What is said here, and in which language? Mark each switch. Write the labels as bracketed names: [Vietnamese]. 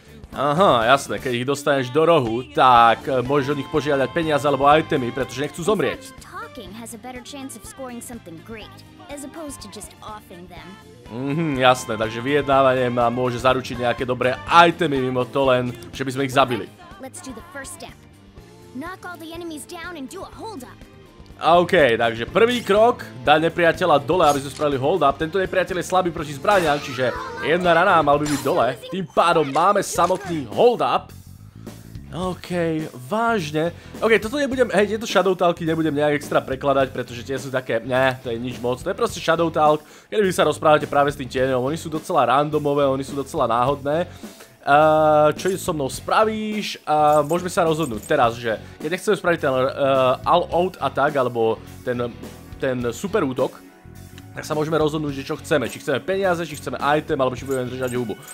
[Slovak] Aha, jasné, keď ich dostaneš do rohu, tak môžeš od nich požiadať peniaze alebo itemy, pretože nechcú zomrieť. [English] Has a better chance of scoring something great as opposed to just offing them. [Slovak] Jasné, takže vyjednávanie má môže zaručiť nejaké dobré itemy mimo to len, že by sme ich zabili. [English] Let's do the first step. Knock all the enemies down and do a hold up. [Slovak] OK, takže prvý krok, dať nepriateľa dole, aby sme spravili hold up. Tento nepriateľ je slabý proti zbraniam, čiže jedna rana mal by byť dole. Tým pádom máme samotný hold up. OK, vážne. OK, toto nebudem, hej, tieto Shadow Talky nebudem nejak extra prekladať, pretože tie sú také, ne, to je nič moc, to je proste Shadow Talk, kedy vy sa rozprávate práve s tým tieňom, oni sú docela randomové, oni sú docela náhodné. Čo so mnou spravíš? Môžeme sa rozhodnúť teraz, že keď nechceme spraviť ten All Out Attack, alebo ten super útok, tak sa môžeme rozhodnúť, že čo chceme, či chceme peniaze, či chceme item, alebo či budeme držať hubu.